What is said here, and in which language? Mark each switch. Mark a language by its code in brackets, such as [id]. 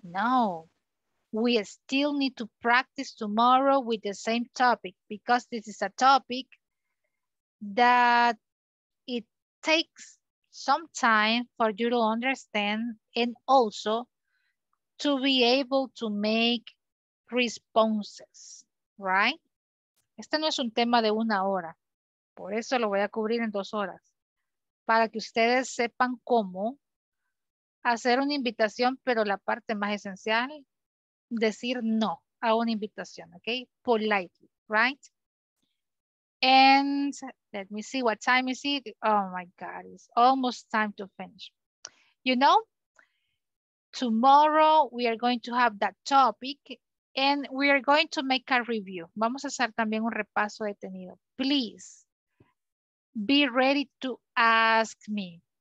[en] No, we still need to practice tomorrow with the same topic, because this is a topic that it takes some time for you to understand and also to be able to make responses, right? [es] Este no es un tema de una hora, por eso lo voy a cubrir en 2 horas, para que ustedes sepan cómo hacer una invitación, pero la parte más esencial, decir no a una invitación, ¿ok? [en] Politely, right? And let me see what time is it. Oh my God, it's almost time to finish. You know, tomorrow we are going to have that topic. And we are going to make a review. [es] Vamos a hacer también un repaso detenido. [en] Please be ready to ask me.